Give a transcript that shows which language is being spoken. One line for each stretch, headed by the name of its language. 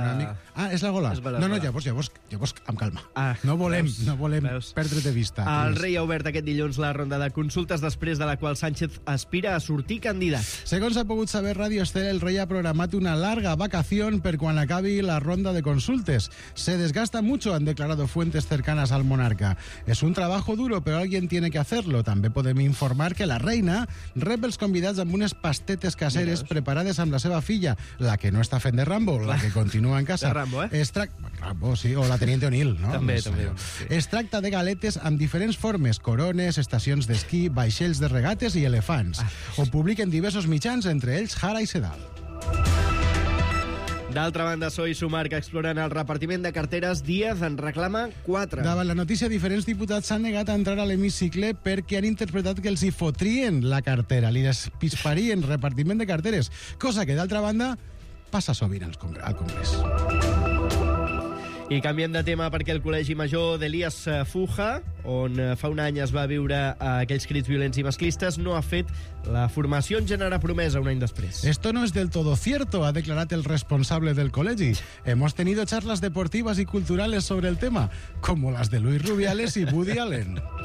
Catalan: Una mica... Ah, és la gola. Llavors, amb calma. No volem perdre de vista. El rei ha obert aquest dilluns la ronda de consultes després de la qual Sánchez aspira a sortir candidat. Segons ha pogut saber Ràdio Estel, el rei ha programat una larga vacació per quan acabi la ronda de consultes.
Spanish: Se desgasta mucho, han declarado fuentes cercanas al monarca. Es un trabajo duro, pero alguien tiene que hacerlo.
Catalan: També podem informar que la reina rep els convidats amb unes pastetes caseres preparades amb la seva filla, la que no està fent de Rambo, la que continua en casa. De Rambo, eh?
Spanish: Rambo, sí, o la Teniente O'Neill, ¿no?
Catalan: També. Sí. Es tracta de galetes amb diferents formes, corones, estacions d'esquí, vaixells de regates i elefants. Ho publiquen diversos mitjans, entre ells Jara i Sedal. D'altra banda, Soy Sumar, que exploren el repartiment de carteres, Díaz en reclama 4. Davant la notícia, diferents diputats s'han negat a entrar a l'hemicicle perquè han interpretat que els hi fotrien la cartera, li despisparien repartiment de carteres, cosa que, d'altra banda, passa sovint al Congrés. I canviem de tema perquè el Col·legi Major d'Elías Fuja, on fa un any es va viure aquells crits violents i masclistes, no ha fet la formació en gènere promesa un any després.
Spanish: Esto no es del todo cierto,
Catalan: ha declarat el responsable del col·legi.
Spanish: Hemos tenido charlas deportivas y culturales sobre el tema, como las de Luis Rubiales y Woody Allen.